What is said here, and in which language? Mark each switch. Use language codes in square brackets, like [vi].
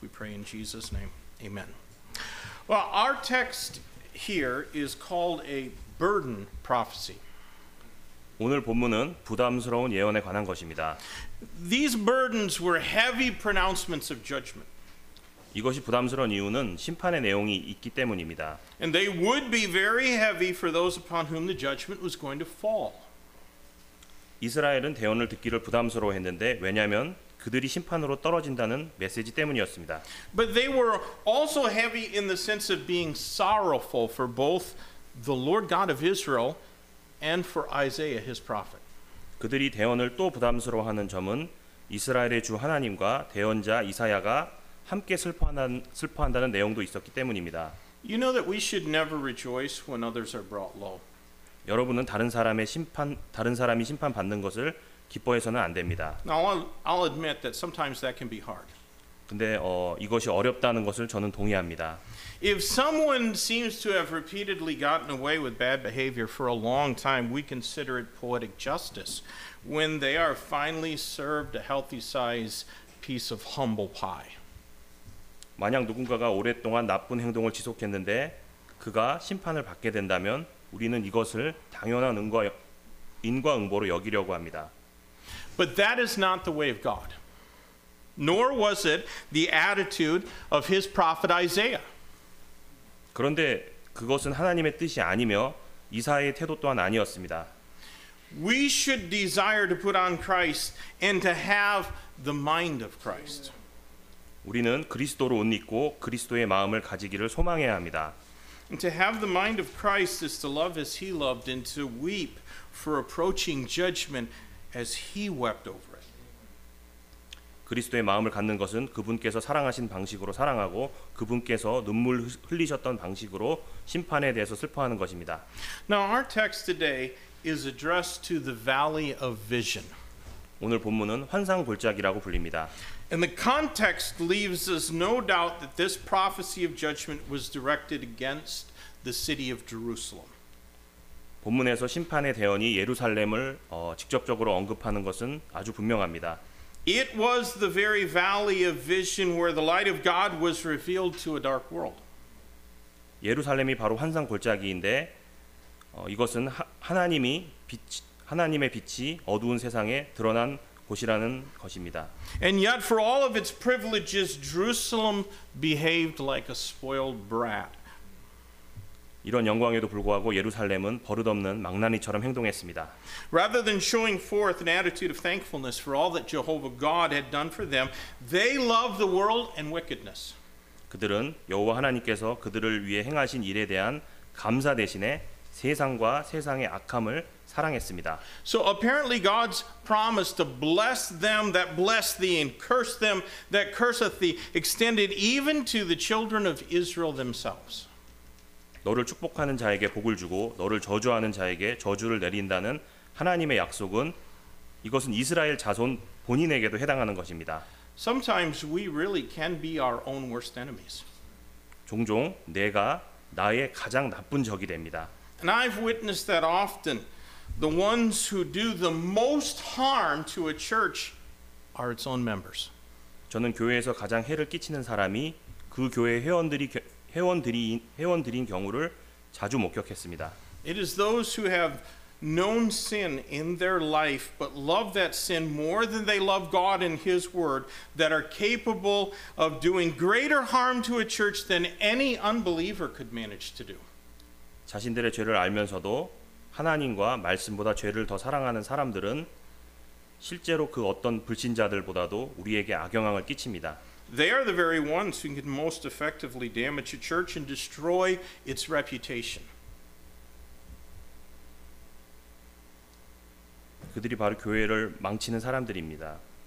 [en] We pray in Jesus' name. Amen. Well, our text here is called a burden prophecy. [ko] 오늘 본문은 부담스러운 예언에 관한 것입니다. [en] These burdens were heavy pronouncements of judgment. [ko] 이것이 부담스러운 이유는 심판의 내용이 있기 때문입니다. [en] And they would be very heavy for those upon whom the judgment was going to fall. [ko] 이스라엘은 대언을 듣기를 부담스러워했는데 왜냐하면 그들이 심판으로 떨어진다는 메시지 때문이었습니다. [en] But they were also heavy in the sense of being sorrowful for both the Lord God of Israel and for Isaiah his prophet. [ko] 그들이 대언을 또 부담스러워하는 점은 이스라엘의 주 하나님과 대언자 이사야가 함께 슬퍼한다는 내용도 있었기 때문입니다. [en] You know that we should never rejoice when others are brought low. [ko] 여러분은 다른 사람이 심판받는 것을 기뻐해서는 안 됩니다. [en] Now I'll admit that sometimes that can be hard. [ko] 근데 이것이 어렵다는 것을 저는 동의합니다. [en] If someone seems to have repeatedly gotten away with bad behavior for a long time, we consider it poetic justice when they are finally served a healthy size piece of humble pie. [ko] 만약 누군가가 오랫동안 나쁜 행동을 지속했는데 그가 심판을 받게 된다면 우리는 이것을 당연한 인과응보로 여기려고 합니다. [en] But that is not the way of God. Nor was it the attitude of his prophet Isaiah. [ko] 그런데 그것은 하나님의 뜻이 아니며 이사야의 태도 또한 아니었습니다. [en] We should desire to put on Christ and to have the mind of Christ. [ko] 우리는 그리스도로 옷 입고 그리스도의 마음을 가지기를 소망해야 합니다. [en] And to have the mind of Christ is to love as he loved and to weep for approaching judgment as he wept over it. [ko] 그리스도의 마음을 갖는 것은 그분께서 사랑하신 방식으로 사랑하고 그분께서 눈물 흘리셨던 방식으로 심판에 대해서 슬퍼하는 것입니다. [en] Now our text today is addressed to the Valley of Vision. [ko] 오늘 본문은 환상 골짜기라고 불립니다. [en] And the context leaves us no doubt that this prophecy of judgment was directed against the city of Jerusalem. [ko] 본문에서 심판의 대언이 예루살렘을 직접적으로 언급하는 것은 아주 분명합니다. [en] It was the very valley of vision where the light of God was revealed to a dark world. [ko] 예루살렘이 바로 환상 골짜기인데 이것은 하나님의 빛이 어두운 세상에 드러난 곳이라는 것입니다. [en] And yet for all of its privileges, Jerusalem behaved like a spoiled brat. [ko] 이런 영광에도 불구하고 예루살렘은 버릇없는 망나니처럼 행동했습니다. [en] Rather than showing forth an attitude of thankfulness for all that Jehovah God had done for them, they loved the world and wickedness. [ko] 그들은 여호와 하나님께서 그들을 위해 행하신 일에 대한 감사 대신에 세상과 세상의 악함을 사랑했습니다. [en] So apparently God's promise to bless them that bless thee and curse them that curseth thee extended even to the children of Israel themselves. [ko] 너를 축복하는 자에게 복을 주고 너를 저주하는 자에게 저주를 내린다는 하나님의 약속은 이것은 이스라엘 자손 본인에게도 해당하는 것입니다. [en] Sometimes we really can be our own worst enemies. [ko] 종종 내가 나의 가장 나쁜 적이 됩니다. [en] And I've witnessed that often. The ones who do the most harm to a church are its own members. [ko] 저는 교회에서 가장 해를 끼치는 사람이 그 교회 회원들인 경우를 자주 목격했습니다. [en] It is those who have known sin in their life but love that sin more than they love God and His Word that are capable of doing greater harm to a church than any unbeliever could manage to do. [ko] 자신들의 죄를 알면서도 하나님과 말씀보다 죄를 더 사랑하는 사람들은 실제로 그 어떤 불신자들보다도 우리에게 악영향을 끼칩니다. [en] They are the very ones who can most effectively damage a church and destroy its reputation. [ko] 그들이 바로 교회를 망치는 사람들입니다.